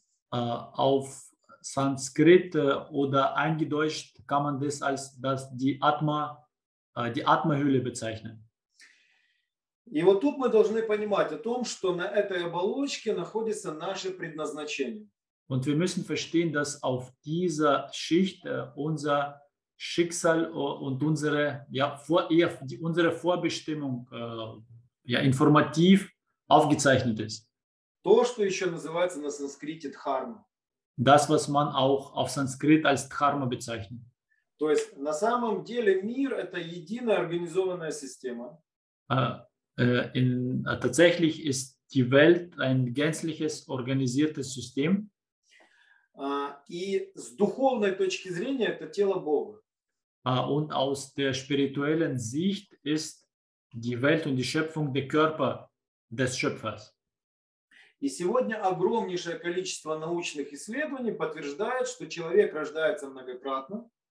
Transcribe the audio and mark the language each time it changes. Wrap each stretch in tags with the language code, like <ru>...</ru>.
<de>auf Sanskrit oder eingedeutscht kann man das als das die Atma-Hülle bezeichnen.</de> <ru>И вот тут мы должны понимать о том, что на этой оболочке находится наше предназначение.</ru> <de>Und wir müssen verstehen, dass auf dieser Schicht unser Schicksal und unsere, ja, unsere Vorbestimmung ja, informativ aufgezeichnet ist.</de> <ru>То, что еще называется на санскрите дхарма.</ru> <de>Das, was man auch auf Sanskrit als Dharma bezeichnet.</de> <ru>То есть на самом деле мир – это единая организованная система.</ru> <de>Tatsächlich ist die Welt ein gänzliches organisiertes System.</de> <ru>И с духовной точки зрения это тело Бога.</ru> <de>Und aus der spirituellen Sicht ist die Welt und die Schöpfung der Körper des Schöpfers.</de> <ru>И сегодня огромнейшее количество научных исследований подтверждает, что человек рождается многократно.</ru>